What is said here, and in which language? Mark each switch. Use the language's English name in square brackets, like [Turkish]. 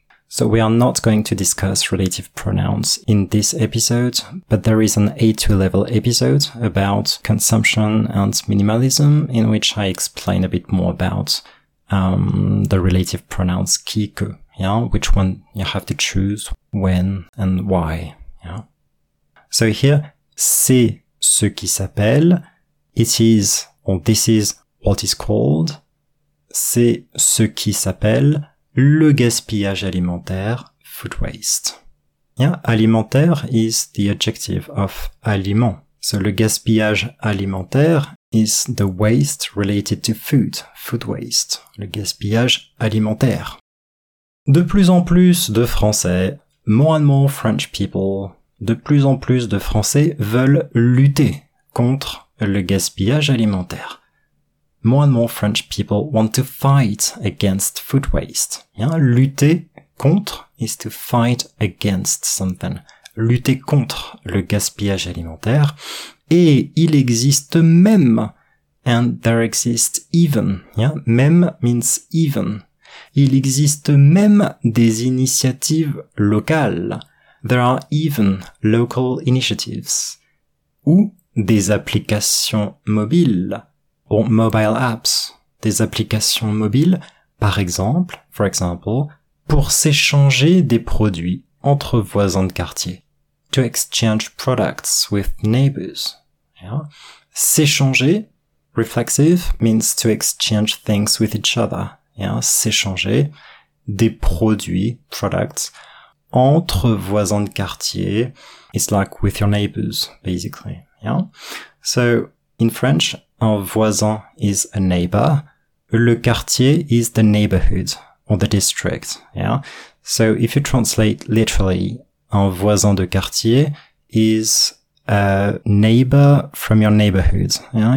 [English] So we are not going to discuss relative pronouns in this episode, but there is an A2 level episode about consumption and minimalism in which I explain a bit more about the relative pronouns qui, que. Yeah, which one you have to choose, when and why. Yeah. [French] So here, c'est ce qui s'appelle. [English] It is, or this is what is called. [French] C'est ce qui s'appelle le gaspillage alimentaire, [English] food waste. Yeah, alimentaire is the adjective of aliment. So [French] le gaspillage alimentaire [English] is the waste related to food, food waste. [French] Le gaspillage alimentaire. De plus en plus de Français, [English] more and more French people, [French] de plus en plus de Français veulent lutter contre le gaspillage alimentaire. [English] More and more French people want to fight against food waste. Yeah? [French] Lutter contre [English] is to fight against something. [French] Lutter contre le gaspillage alimentaire. Et il existe même, [English] and there exists even. Yeah? Même means even. [French] Il existe même des initiatives locales. [English] There are even local initiatives. [French] Ou des applications mobiles. [English] Or mobile apps. [French] Des applications mobiles, par exemple, [English] for example, [French] pour s'échanger des produits entre voisins de quartier. [English] To exchange products with neighbors. Yeah. S'échanger, reflexive, means to exchange things with each other. Yeah, [French] s'échanger des produits, [English] products, [French] entre voisins de quartier. [English] It's like with your neighbors, basically. Yeah. So, in French, un voisin is a neighbor. Le quartier is the neighborhood or the district. Yeah. So, if you translate literally, [French] un voisin de quartier [English] is a neighbor from your neighborhood. Yeah.